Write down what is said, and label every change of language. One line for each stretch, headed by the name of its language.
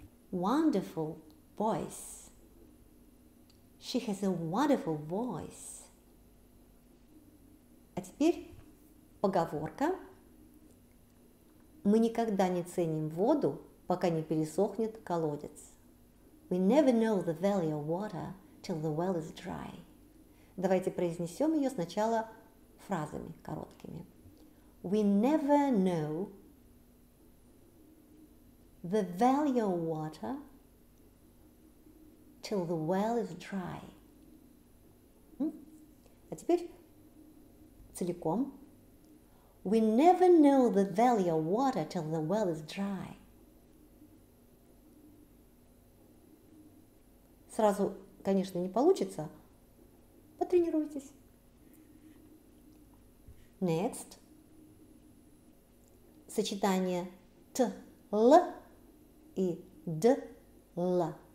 English: Wonderful voice. She has a wonderful voice.
Russian: А теперь поговорка. Мы никогда не ценим воду, пока не пересохнет колодец.
English: We never know the value of water till the well is dry.
Russian: Давайте произнесем ее сначала фразами короткими.
English: We never know the value of water till the well is dry.
Russian: А теперь целиком.
English: We never know the value of water till the well is dry.
Russian: Сразу, конечно, не получится. Потренируйтесь.
English: Next.
Russian: Сочетание т-л и д-л.